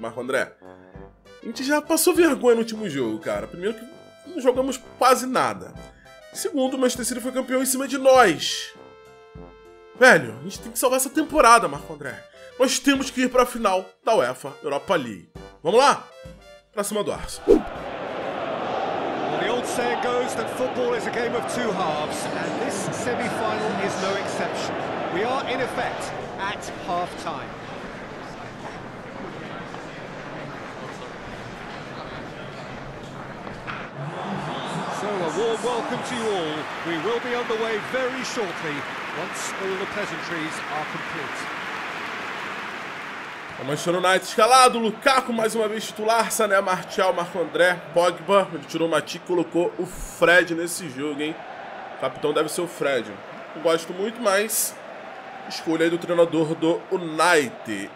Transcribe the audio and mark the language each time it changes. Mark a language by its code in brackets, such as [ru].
[pt] Marco André, a gente já passou vergonha no último jogo, cara. Primeiro que não jogamos quase nada. Segundo, o Manchester City foi campeão em cima de nós. Velho, a gente tem que salvar essa temporada, Marco André. Nós temos que ir para a final da UEFA Europa League. Vamos lá? Pra cima do Arsenal. [en] Goes that football is a game of two halves, and this semi-final is no exception. We are in effect at half-time. So a warm welcome to you all. We will be on the way very shortly once all the pleasantries are complete. [pt] O Manchester United escalado, Lukaku mais uma vez titular, Sané, Martial, Marco André, Pogba, ele tirou o Matic e colocou o Fred nesse jogo, hein? O capitão deve ser o Fred. Não gosto muito, mas escolha aí do treinador do United.